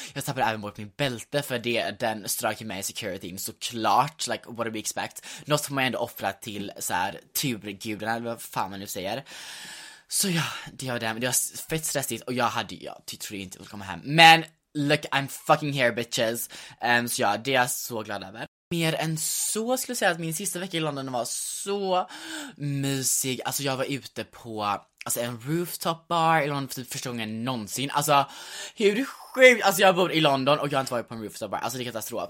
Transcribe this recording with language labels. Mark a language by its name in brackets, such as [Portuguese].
[Swedish] Jag tappade även bort min bälte för det, den strök mig i securityn såklart. [English] Like what do we expect? [Swedish] Något som jag ändå offrat till såhär turgudarna eller vad fan man nu säger. Så ja, det var det. Det var fett stressigt och jag hade, jag tyckte inte att komma hem. Men [English] look, I'm fucking here bitches. [Swedish] Så ja, det är jag så glad över. Mer än så skulle jag säga att min sista vecka i London var så mysig. Alltså jag var ute på alltså en rooftop bar i London för typ första gången någonsin. Alltså hur sjukt, alltså jag bor i London och jag har inte varit på en rooftop bar. Alltså det är katastrof.